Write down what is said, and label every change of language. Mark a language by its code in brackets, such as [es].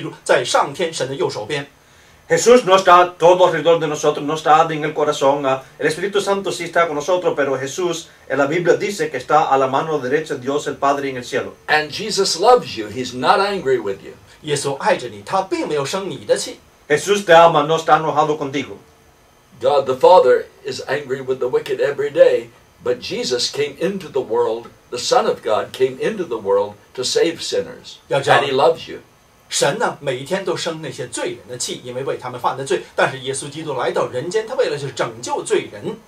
[zh] 如今呢，耶稣并没有在我们周围，各处那个空虚无缥缈中间飘，也没有在石架上，更没有在我们心中，圣灵在我们心中。但是，圣经重重复复讲到，耶稣基督在上天神的右手边。Jesús [es] no está todo alrededor de nosotros, no está en el corazón. El Espíritu Santo sí está con nosotros, pero Jesús en la Biblia dice que está a la mano derecha de Dios el Padre en el cielo. [en] And Jesus loves you. He's not angry with you. [zh] 耶稣爱着你，他并没有生你的气。 [es] Jesús te ama, no está enojado contigo. [en] God the Father is angry with the wicked every day, But Jesus came into the world, the Son of God came into the world to save sinners. And he loves you. [zh] 神呢, 每一天都生那些罪人的气, 因为为他们犯的罪, 但是耶稣基督来到人间, 他为了去拯救罪人。